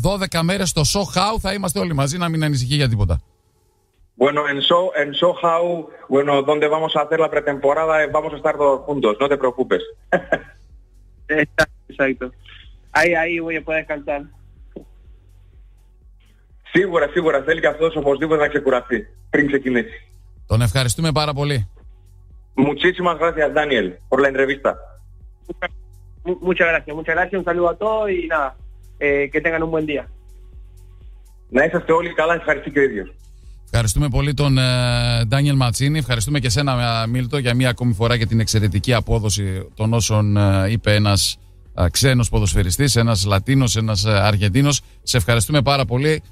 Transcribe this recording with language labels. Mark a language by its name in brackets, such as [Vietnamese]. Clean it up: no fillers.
[Greek] 12 μέρες στο Σοχάου θα είμαστε όλοι μαζί, να μην ανησυχεί για τίποτα. [Spanish] Bueno, en Sochaux, bueno, donde vamos a hacer la pretemporada, vamos a estar todos juntos, no te preocupes. Exacto. Ahí voy a poder cantar. [Greek] Σίγουρα, θέλει και αυτός οπωσδήποτε να ξεκουραστεί πριν ξεκινήσει. Τον ευχαριστούμε πάρα πολύ. [Spanish] Muchísimas gracias, Daniel, por la entrevista. Muchas gracias, un saludo a todos y nada, que tengan un buen día. [Greek] Να είσαστε όλοι καλά, ευχαριστή και ο ίδιος. Ευχαριστούμε πολύ τον Ντάνιελ Ματσίνη. Ευχαριστούμε και εσένα, Μίλτο, για μία ακόμη φορά για την εξαιρετική απόδοση των όσων είπε ένας ξένος ποδοσφαιριστής, ένας Λατίνος, ένας Αργεντίνος. Σε ευχαριστούμε πάρα πολύ.